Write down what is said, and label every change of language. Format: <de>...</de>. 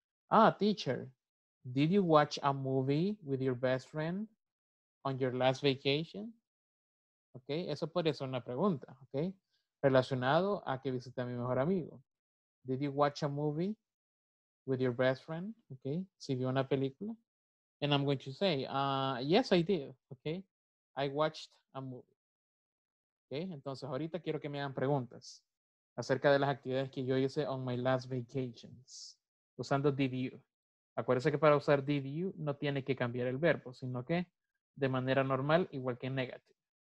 <en>Ah, teacher, did you watch a movie with your best friend on your last vacation?</en> <es>¿Ok? Eso podría ser una pregunta, ¿ok? Relacionado a que visité a mi mejor amigo.</es> <en>Did you watch a movie with your best friend? ¿Ok?</en> <es>¿Si vio una película?</es> <en>And I'm going to say, yes, I did. ¿Ok? I watched a movie. ¿Ok?</en> <es>Entonces, ahorita quiero que me hagan preguntas acerca de las actividades que yo hice</es> <en>on my last vacations.</en> <es>Usando did you. Acuérdense que para usar did you no tiene que cambiar el verbo, sino que de manera normal, igual que negative.</es>